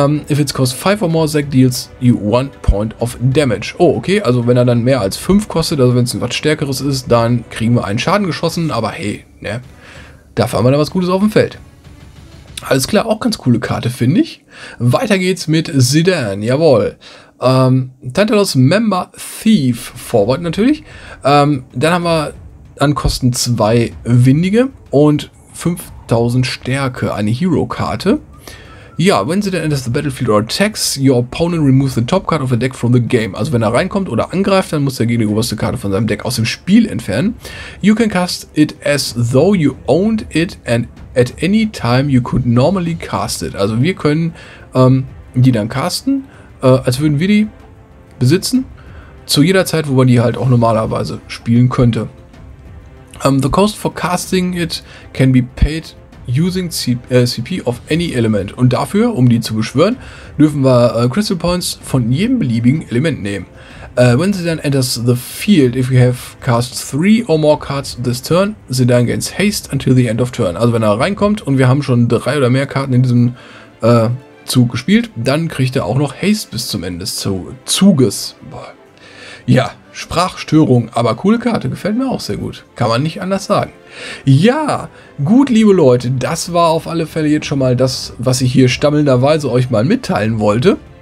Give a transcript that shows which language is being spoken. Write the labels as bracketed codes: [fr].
[en] If it's cost 5 or more, Zack deals you 1 point of damage. [de] Oh, okay, also wenn er dann mehr als 5 kostet, also wenn es etwas Stärkeres ist, dann kriegen wir einen Schaden geschossen, aber hey, ne, dafür haben wir dann was Gutes auf dem Feld. Alles klar, auch ganz coole Karte, finde ich. Weiter geht's mit Zidane, jawohl. Tantalos Member Thief Forward natürlich. Dann haben wir an Kosten 2 Windige und 5000 Stärke, eine Hero-Karte. [en] Ja, when Zidane enters the battlefield or attacks, your opponent removes the top card of the deck from the game. [de] Also wenn er reinkommt oder angreift, dann muss der Gegner die oberste Karte von seinem Deck aus dem Spiel entfernen. [en] You can cast it as though you owned it and at any time you could normally cast it. [de] Also wir können die dann casten, als würden wir die besitzen, zu jeder Zeit, wo man die halt auch normalerweise spielen könnte. [en] The cost for casting it can be paid using CP of any element. [de] Und dafür, um die zu beschwören, dürfen wir Crystal Points von jedem beliebigen Element nehmen. [en] When Zidane enters the field, if you have cast 3 or more cards this turn, Zidane gains haste until the end of turn. [de] Also wenn er reinkommt und wir haben schon 3 oder mehr Karten in diesem Zug gespielt, dann kriegt er auch noch haste bis zum Ende des Zuges. Boah. Ja, Sprachstörung, aber coole Karte, gefällt mir auch sehr gut. Kann man nicht anders sagen. Ja, gut, liebe Leute, das war auf alle Fälle jetzt schon mal das, was ich hier stammelnderweise euch mal mitteilen wollte.